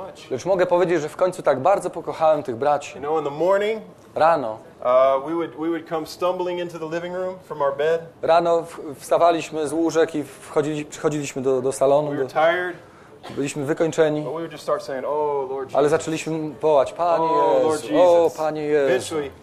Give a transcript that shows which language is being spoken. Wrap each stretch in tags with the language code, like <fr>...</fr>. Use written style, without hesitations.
<pl>Lecz mogę powiedzieć, że w końcu tak bardzo pokochałem tych braci.</pl> <en>You know, in the morning,</en> <pl>rano,</pl> <en>we would come stumbling into the living room from our bed.</en> <pl>Rano wstawaliśmy z łóżek i przychodziliśmy do salonu. Byliśmy wykończeni, ale zaczęliśmy wołać, Panie Jezu, o Panie Jezu.</pl>